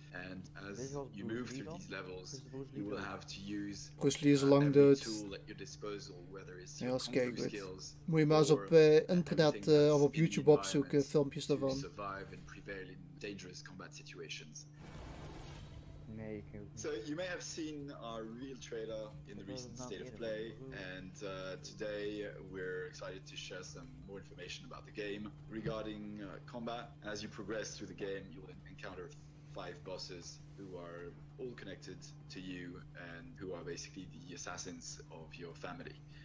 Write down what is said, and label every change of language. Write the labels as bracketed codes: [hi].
[en] And as you move through these levels, you will have to use every tool at your disposal, whether it's your kung fu skills. [nl] Moet je maar eens op internet of op YouTube opzoeken filmpjes daarvan. [en] Survive and prevail in dangerous combat situations. So you may have seen our real trailer in the recent state of play, and today we're excited to share some more information about the game regarding combat. As you progress through the game, you will encounter 5 bosses who are all connected to you and who are basically the assassins of your family.